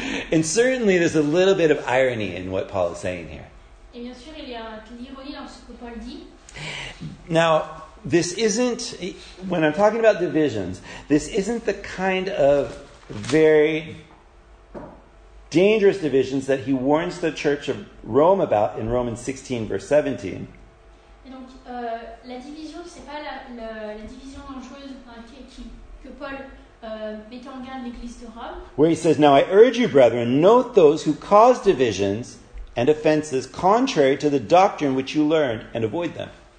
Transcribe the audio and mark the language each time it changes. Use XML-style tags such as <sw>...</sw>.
<en>And certainly there's a little bit of irony in what Paul is saying here.</en> <fr>Et bien sûr, il y a l'ironie dans ce que Paul dit.</fr> <en>Now, this isn't, when I'm talking about divisions, this isn't the kind of very dangerous divisions that he warns the church of Rome about in Romans 16, verse 17.</en> <fr>Et donc, la division, c'est pas la division dangereuse que Paul met en garde l'église de Rome.</fr> <en>Where he says, now I urge you, brethren, note those who cause divisions and offenses contrary to the doctrine which you learned, and avoid them.</en>